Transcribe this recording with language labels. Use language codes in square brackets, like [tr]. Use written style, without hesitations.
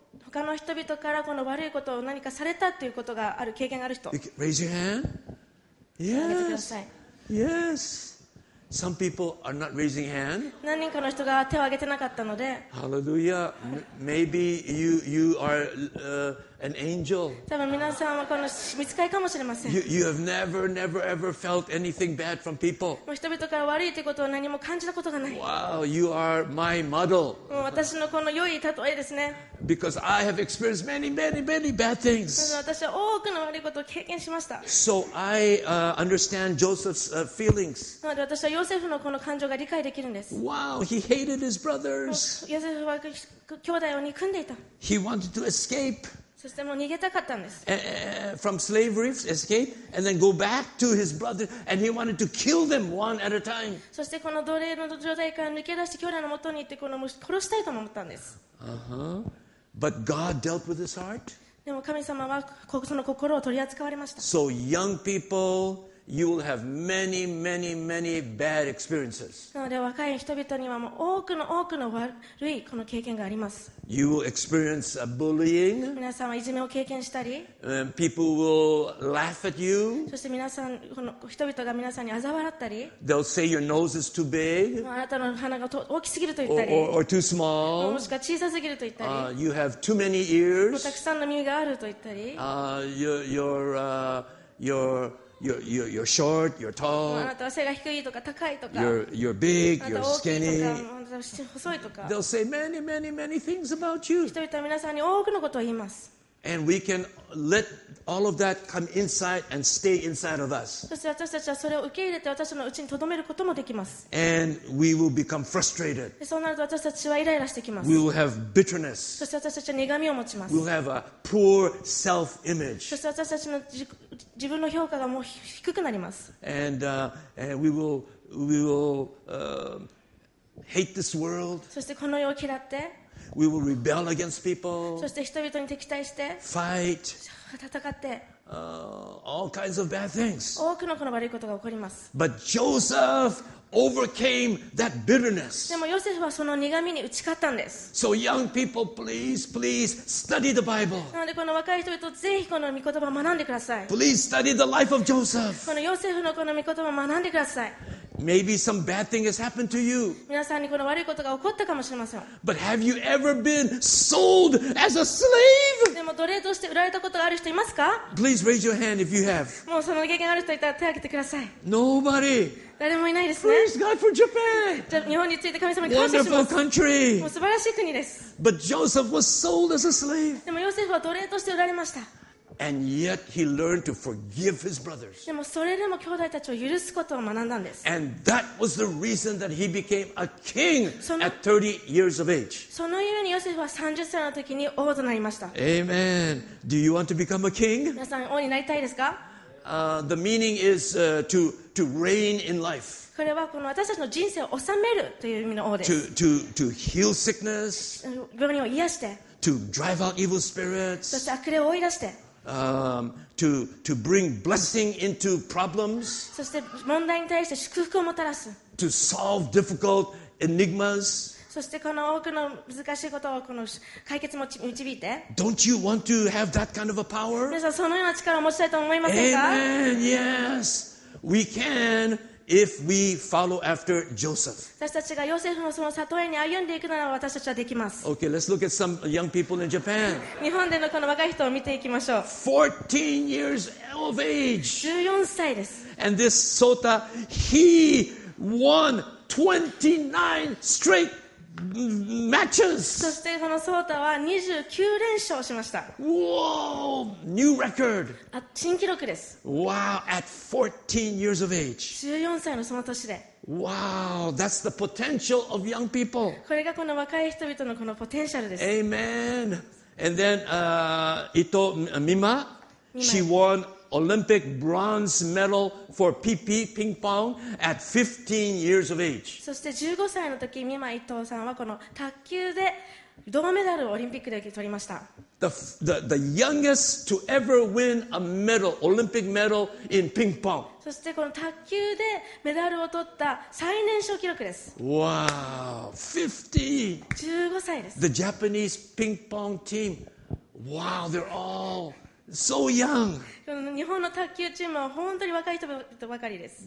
[ja] 他の人々からこの悪いことを何かされたということがある経験がある人。 [en] Raise your hand. Yes. Yes. Some people are not raising hand. [ja] 何人かの人が手を挙げてなかったので。 [en] Hallelujah. Maybe you are an angel. [ja] 多分皆さんはこの見つかりかもしれません。 [en] You have never felt anything bad from people. [ja] 人々から悪いということを何も感じたことがない。 [en] Wow, you are my model. [ja] 私のこの良い例えですね。 [en] Because I have experienced many, many, many bad things. [ja] 私は多くの悪いことを経験しました。 [en] So I understand Joseph's feelings. [ja] なので私はヨヨセフのこの感情が理解できるんです。 [en] Wow, he hated his brothers. [ja] ヨセフは兄弟を憎んでいた。 [en] He wanted to escape. [ja] そしてもう逃げたかったんです。 [en] From slavery, escape, and then go back to his brothers, and he wanted to kill them one at a time. [ja] そしてこの奴隷の状態から抜け出して兄弟の元に行ってこの殺したいと思ったんです。 [en] But God dealt with his heart. [ja] でも神様はその心を取り扱われました。 [en] So young people. You will have many, many, many bad experiences. [ja] なので若い人々にはもう多くの多くの悪いこの経験があります。 [en] You will experience a bullying. [ja] 皆さんはいじめを経験したり。 [en] People will laugh at you. [ja] そして皆さんこの人々が皆さんに嘲笑ったり。 [en] They'll say your nose is too big. [ja] あなたの鼻が大きすぎると言ったり。 [en] Or too small. [ja] もしくは小さすぎると言ったり。 [en] You have too many ears. [ja] たくさんの耳があると言ったり。 [en] You're short, you're tall. [ja] あなたは背が低いとか高いとか。 [en] You're big, you're skinny. [ja] あなたは大きいとか、細いとか。 [en] They'll say many, many, many things about you. [ja] 人々は皆さんに多くのことを言います。 [en] And we can let all of that come inside and stay inside of us. [ja] そして私たちはそれを受け入れて私たちの内に留めることもできます。 [en] And we will become frustrated. [ja] そうなると私たちはイライラしてきます。 [en] We will have bitterness. [ja] そして私たちは苦味を持ちます。 [en] We will have a poor self-image. [ja] そして私たちの自分の評価がもう低くなります。 [en] And we will hate this world. [ja] そしてこの世を嫌って。 [en] We will rebel against people. [ja] そして人々に敵対して、 [en] fight, [ja] 戦って、 [en] all kinds of bad things. [ja] 多くのこの悪いことが起こります。 [en] But Joseph overcame that bitterness. [ja] でもヨセフはその苦味に打ち勝ったんです。 [en] So young people, please, please study the Bible. [ja] なのでこの若い人々ぜひこの御言葉を学んでください。 [en] Please study the life of Joseph. [ja] このヨセフのこの御言葉を学んでください。 [en] Maybe some bad thing has happened to you. [ja] 皆さんにこの悪いことが起こったかもしれません。 [en] But have you ever been sold as a slave? [ja] でも奴隷として売られたことがある人いますか? [en] Please raise your hand if you have. [ja] もうその経験ある人いたら手を挙げてください。 [en] Nobody. [ja] 誰もいないですね。 [en] Praise God for Japan. [ja] じゃあ日本について神様に感謝します。 [en] Wonderful country. [ja] もう素晴らしい国です。 [en] But Joseph was sold as a slave. [ja] でもヨセフは奴隷として売られました。 [en] And yet he learned to forgive his brothers. [ja] でもそれでも兄弟たちを許すことを学んだんです。 [en] And that was the reason that he became a king at 30 years of age. [ja] そのゆえにヨセフは30歳の時に王となりました。 [en] Amen. Do you want to become a king? [ja] 皆さん王になりたいですか? [en] The meaning is to reign in life. [ja] これはこの私たちの人生を治めるという意味の王です。 [en] To heal sickness. [ja] 病人を癒して。 [en] To drive out evil spirits. [ja] そして悪霊を追い出して。 [en] To bring blessing into problems. [ja] そして問題に対して祝福をもたらす。 [en] To solve difficult enigmas. [ja] そしてこの多くの難しいことをこの解決も導いて。 [en] Don't you want to have that kind of a power? [ja] 皆さんそのような力を持ちたいと思いませんか? [en] Amen. Yes, we can if we follow after Joseph. [ja] 私たちがヨセフのその里へに歩んでいくなら私たちはできます。 [en] Okay, let's look at some young people in Japan. [ja] 日本でのこの若い人を見ていきましょう。 [en] 14 years of age. [ja] 14歳です。 [en] And this Sota, he won 29 straight matches. [ja] そしてこのソータは29連勝しました。 [en] Whoa, new record. [ja] 新記録です。 [en] Wow, at 14 years of age. [ja] 14歳のその年で。 [en] Wow, that's the potential of young people. [ja] これがこの若い人々のこのポテンシャルです。 [en] Amen. And then, Ito Mima. She won Olympic bronze medal for PP ping pong at 15 years of age. [ja] そして15歳の時、美馬伊藤さんはこの卓球で銅メダルをオリンピックで取りました。 [en] The youngest to ever win a medal, Olympic medal in ping pong. [ja] そしてこの卓球でメダルを取った最年少記録です。 [en] Wow, [ja] 15歳です。 [en] The Japanese ping pong team, wow, they're all so young. [ja] 日本の卓球チームは本当に若い人ばかりです。